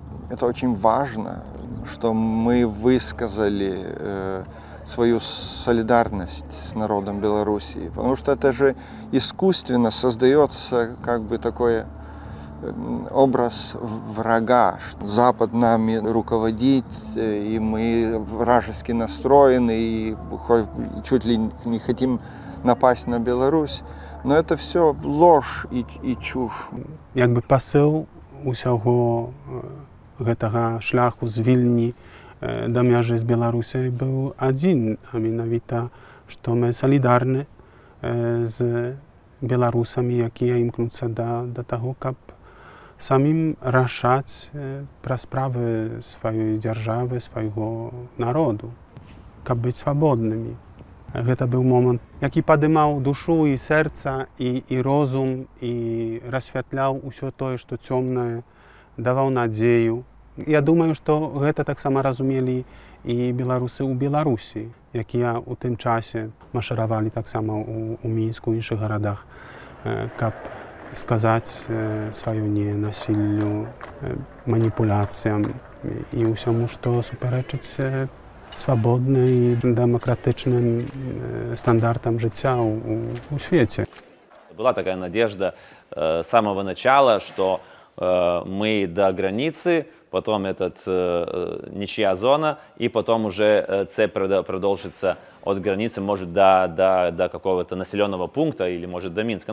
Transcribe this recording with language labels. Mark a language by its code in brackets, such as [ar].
[ru] Это очень важно, что мы высказали свою солидарность с народом Белоруссии, потому что это же искусственно создается как бы такой образ врага, что Запад нами руководит, и мы вражески настроены, и чуть ли не хотим напасть на Беларусь. Но это все ложь и чушь. [be] Как бы посыл усяго гэтага шляху з Вільні да мяжы з Беларусі быў адзін, а менавіта, што мы салідарны з беларусамі, якія імкнуцца да таго, каб самім рашаць пра справы сваёй дзяржавы, свайго народу, каб быць свабоднымі. Гэта быў момант, які падымаў душу і сэрца, і розум, і расвятляў усё тое, што цёмнае, даваў надзею. Я думаю, што гэта таксама разумелі і беларусы ў Беларусі, якія ў тым часе машыравалі таксама ў Мінску, ў іншых гарадах, каб сказаць сваё ненасіллю, маніпуляцыям і ўсяму, што супярэчыць свабодным і дэмакратычным стандартам жыцця ў свеце. [ru] Была такая надежда [be] з самага начала, што мы да граніцы, [ru] потом этот ничья зона, и потом уже цепь продолжится от границы, может, до какого-то населенного пункта или, может, до Минска.